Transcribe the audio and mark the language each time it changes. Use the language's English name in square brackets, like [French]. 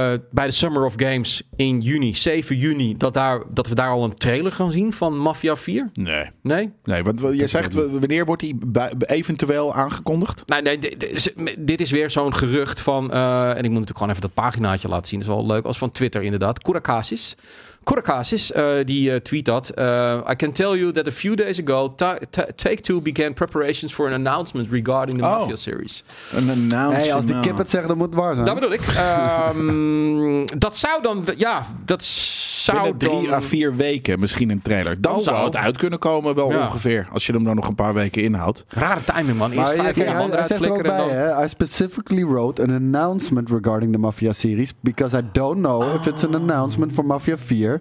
[Dutch] bij de Summer of Games in juni, 7 juni, dat we daar al een trailer gaan zien van Mafia 4? Nee. Nee? Nee, want je zegt, wanneer wordt die eventueel aangekondigd? Nee, nee, dit is weer zo'n gerucht van, en ik moet natuurlijk gewoon even dat paginaatje laten zien, dat is wel leuk, als van Twitter inderdaad, Kourakasis. Kourakasis, die tweet dat. [English] I can tell you that a few days ago, Take-Two began preparations for an announcement regarding the Mafia series. [Dutch] Een announcement. Hey, als die kip het zegt, dan moet het waar zijn. Dat bedoel ik. dat zou dan, ja, dat zou binnen drie dan à vier weken misschien een trailer. Dan zou het uit kunnen komen, wel ongeveer. Als je hem dan nog een paar weken inhoudt. Rare timing, man. Eerst maar, vijf jaar handen uitflikkeren. Hij zegt er ook bij, dan, [English] I specifically wrote an announcement regarding the Mafia series because I don't know if it's an announcement for Mafia 4.